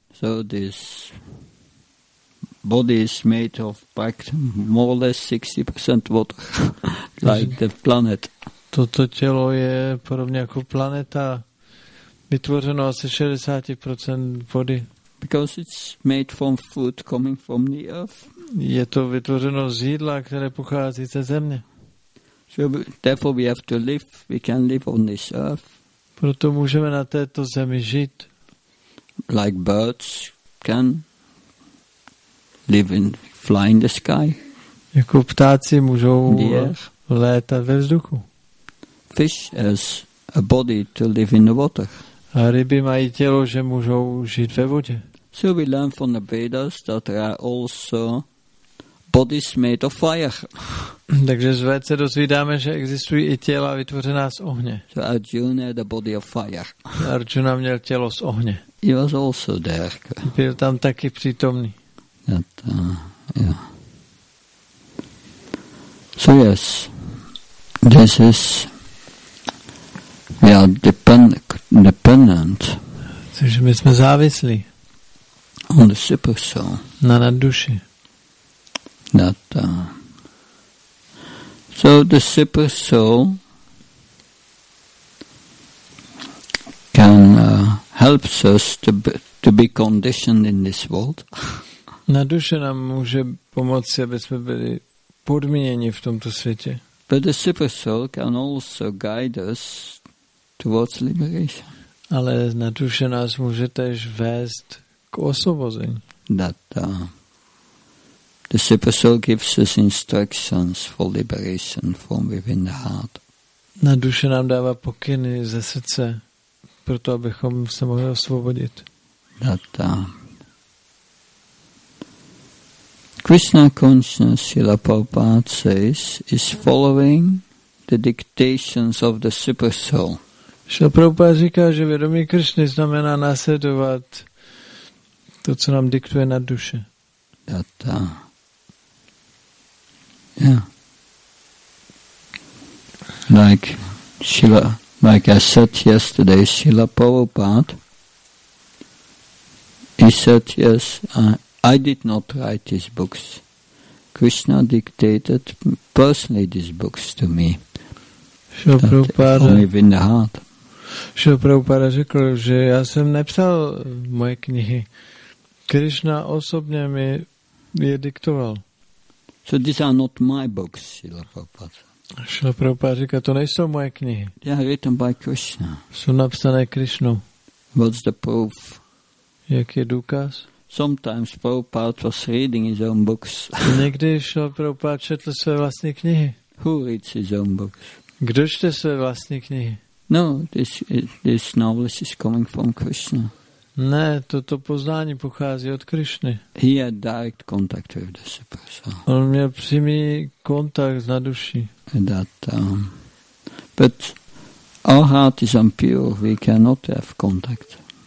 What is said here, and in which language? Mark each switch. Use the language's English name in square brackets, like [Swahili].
[English] So this body is made of more or less 60% water, like the planet. [Czech] Toto tělo je podobně jako planeta, vytvořeno asi 60% vody. [English] Because it's made from food coming from the earth. [Czech] Je to vytvořeno z jídla, které pochází ze země. [English] So therefore we have to live, we can live on this earth. [Czech] Proto můžeme na této zemi žít. [English] Like birds can live in, fly in the sky. [Czech] Jako ptáci můžou létat ve vzduchu. [English] Fish has a body to live in the water. [Czech] A ryby mají tělo, že můžou žít ve vodě. [English] So we learn from the Vedas that there are also bodies made of fire. [Czech] Takže z Véd se dozvídáme, že existují i těla vytvořená z ohně. [English] So Arjuna had a body of fire. [Czech] Arjuna měl tělo z ohně. [English] He was also there. [Czech] Byl tam taky přítomný. [English] That, So yes, this is, we are dependent. [Czech] Takže my jsme závislí. [English] On the super soul. [Czech] Na nadduši. [English] That, so the super soul can helps us to be conditioned in this world. [Czech] Nadduše nám může pomoci, aby jsme byli podmíněni v tomto světě. [English] But the super soul can also guide us towards liberation. [Czech] Ale nadduše nás může též vést k osvobození. [English] That the super soul gives us instructions for liberation from within the heart. [Czech] Nadduše nám dává pokyny ze srdce, proto abychom se mohli osvobodit. [English] That Krishna consciousness, Srila Prabhupada says, is following the dictations of the super soul. [Czech] Srila Prabhupada říká, že vědomí Krishny znamená následovat to, co nám diktuje na duše. [English] That, Like Srila, like I said yesterday, Srila Prabhupada, he said, yes, I did not write these books. Krishna dictated personally these books to me. Prabhupada, only in the heart. [Czech] Srila Prabhupada řekl, že já jsem nepsal moje knihy. Krishna osobně mi je diktoval. [English] So these are not my books, Srila Prabhupada. [Czech] Srila Prabhupada říká, to nejsou moje knihy. [English] They are written by Krishna. [Czech] Jsou napsané Krishnou. [English] What's the proof? [Czech] Jaký je důkaz? [English] Sometimes Prabhupada was reading his own books. [Czech] Někdy Srila Prabhupada četl své vlastní knihy. [English] Who reads his own books? [Czech] Kdo čte své vlastní knihy? [English] No, this novelist is coming from Krishna. [Czech] Ne, toto poznání pochází od Krishny. [English] He had direct contact with the super soul. [Czech] On měl přímý kontakt na duši. [English] That, but our heart is impure, we cannot have contact.